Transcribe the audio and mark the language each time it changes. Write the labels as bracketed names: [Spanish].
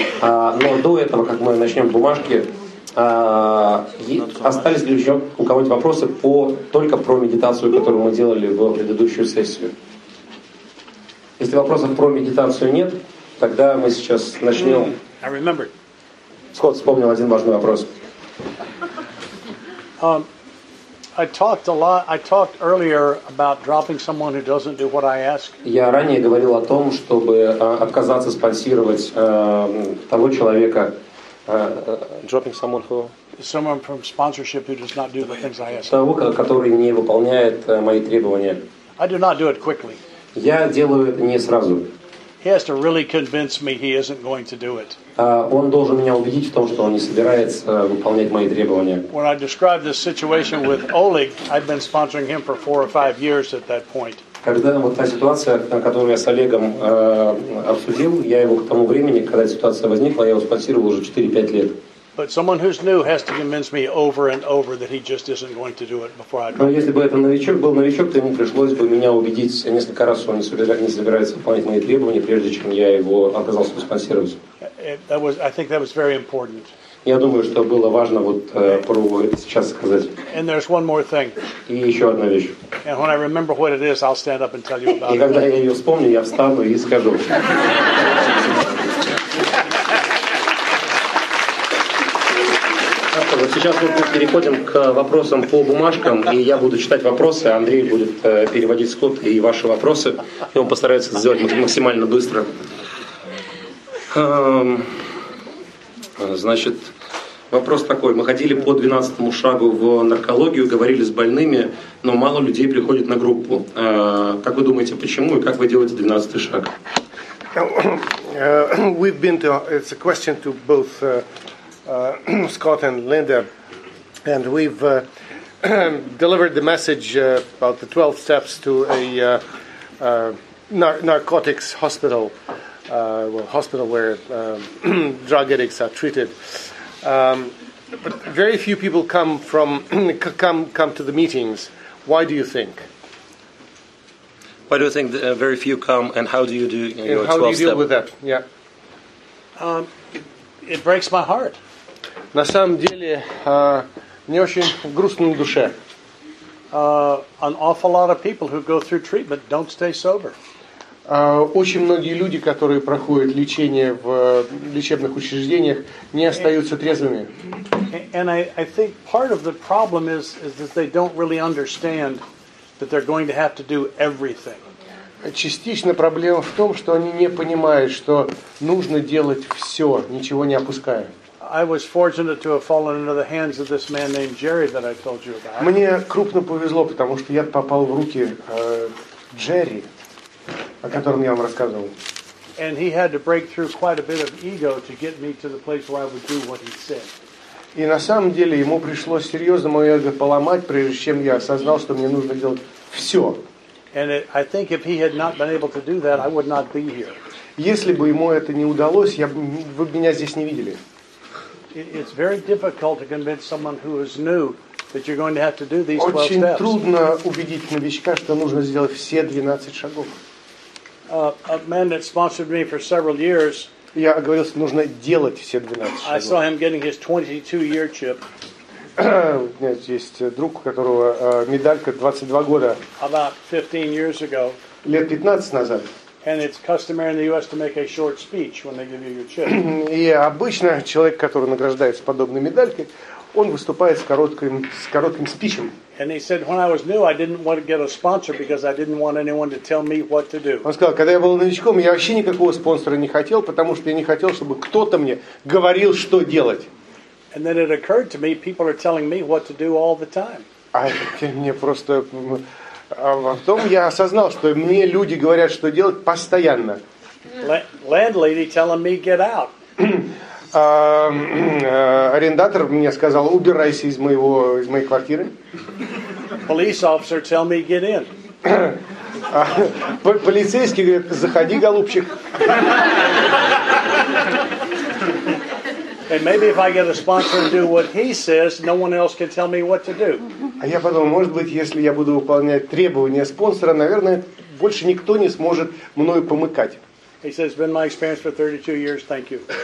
[Russian] Но до этого, как мы начнем бумажки, остались ли еще у кого-нибудь вопросы только про медитацию, которую мы делали в предыдущую сессию? Если вопросов про медитацию нет, тогда мы сейчас начнем. [English] I remember. [Russian] Скотт вспомнил один важный вопрос. [English] I talked earlier about dropping someone who doesn't do what I ask. [Russian] Я ранее говорил о том, чтобы отказаться спонсировать того человека. [English] Dropping someone who. Someone from sponsorship who does not do the things I ask. [Russian] Того, который не выполняет мои требования. [English] I do not do it quickly. [Russian] Я делаю это не сразу. [English] He has to really convince me he isn't going to do it. [Russian] Он должен меня убедить в том, что он не собирается выполнять мои требования. [English] When I described this situation with Oleg, I'd been sponsoring him for 4 or 5 years at that point. [Russian] Когда вот та ситуация, на которую я с Олегом обсудил, я его к тому времени, когда ситуация возникла, я его спонсировал уже 4-5 лет. [English] But someone who's new has to convince me over and over that he just isn't going to do it before I drop. [Russian] Но если бы это новичок был новичок, то ему пришлось бы меня убедить несколько раз, что он не собирается выполнять мои требования, прежде чем я его отказался спонсировать. [English] I think that was very important. [Russian] Я думаю, что было важно вот про это сейчас сказать. [English] And there's one more thing. [Russian] И еще одна вещь. [English] And when I remember what it is, I'll stand up and tell you about it. [Russian] И когда я ее вспомню, я встану и скажу. Сейчас мы переходим к вопросам по бумажкам, и я буду читать вопросы, Андрей будет переводить Скотт и ваши вопросы, и он постарается сделать максимально быстро. Значит, вопрос такой. Мы ходили по 12-му шагу в наркологию, говорили с больными, но мало людей приходит на группу. Как вы думаете, почему и как вы делаете 12-й шаг? [English] We've been to, it's a question to both Scott and Linda, and we've delivered the message about the 12 steps to a narcotics hospital, hospital where drug addicts are treated. But very few people come to the meetings. Why do you think? Why do you think very few come, and how do you do your 12 steps? How do you deal step? With that? Yeah. It breaks my heart. [Russian] На самом деле, мне очень грустно на душе. [English] An awful lot of people who go through treatment don't stay sober. [Russian] Очень многие люди, которые проходят лечение в лечебных учреждениях, не остаются трезвыми. [English] And I think part of the problem is that they don't really understand that they're going to have to do everything. [Russian] Частично проблема в том, что они не понимают, что нужно делать все, ничего не опуская. [English] I was fortunate to have fallen into the hands of this man named Jerry that I told you about. [Russian] Мне крупно повезло, потому что я попал в руки Джерри, о котором я вам рассказывал. [English] And he had to break through quite a bit of ego to get me to the place where I would do what he said. [Russian] И на самом деле ему пришлось серьезно мое эго поломать, прежде чем я осознал, что мне нужно делать все. [English] And it, I think if he had not been able to do that, I would not be here. [Russian] Если бы ему это не удалось, я, вы бы меня здесь не видели. [English] It's very difficult to convince someone who is new that you're going to have to do these 12 steps. [Russian] Очень трудно убедить новичка, что нужно сделать все 12 шагов. [English] A man that sponsored me for several years. [Russian] Я говорил, что нужно делать все 12 шагов. [English] I saw him getting his 22-year chip. [Russian] Нет, есть друг, у которого медалька 22 года. [English] About 15 years ago. [Russian] Лет 15 назад. [English] And it's customary in the U.S. to make a short speech when they give you your chip. [Russian] И обычно человек, который награждается подобной медалькой, он выступает с коротким спичем. [English] And he said, when I was new, I didn't want to get a sponsor because I didn't want anyone to tell me what to do. [Russian] Он сказал, когда я был новичком, я вообще никакого спонсора не хотел, потому что я не хотел, чтобы кто-то мне говорил, что делать. [English] And then it occurred to me, people are telling me what to do all the time. [Russian] А мне просто потом я осознал, что мне люди говорят, что делать постоянно. [English] Landlady telling me get out. [Russian] Арендатор мне сказал, убирайся из моей квартиры. [English] Police officer tell me get in. [Russian] Полицейский говорит, заходи, голубчик. [English] And maybe if I get a sponsor and do what he says, no one else can tell me what to do. [Russian] А я подумал, может быть, если я буду выполнять требования спонсора, наверное, больше никто не сможет мною помыкать. [English] He says, it's been my experience for 32 years, thank you.